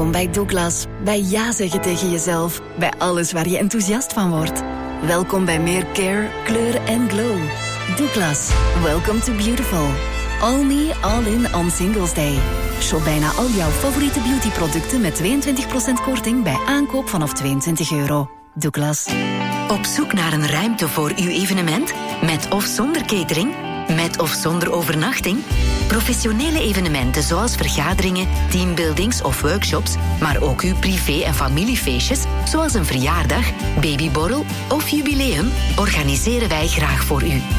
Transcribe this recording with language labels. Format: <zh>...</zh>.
<nl>Douglas, bij ja zeggen tegen jezelf, bij alles waar je enthousiast van wordt. Welkom bij meer care, kleur en glow.</nl> <en>Douglas, Welcome to Beautiful. All me, all in on Singles Day.</en> <nl>Shop bijna al jouw favoriete beautyproducten met 22% korting bij aankoop vanaf €22. Douglas. Op zoek naar een ruimte voor uw evenement? Met of zonder catering? Met of zonder overnachting? Professionele evenementen zoals vergaderingen, teambuildings of workshops, maar ook uw privé- en familiefeestjes, zoals een verjaardag, babyborrel of jubileum, organiseren wij graag voor u.</nl>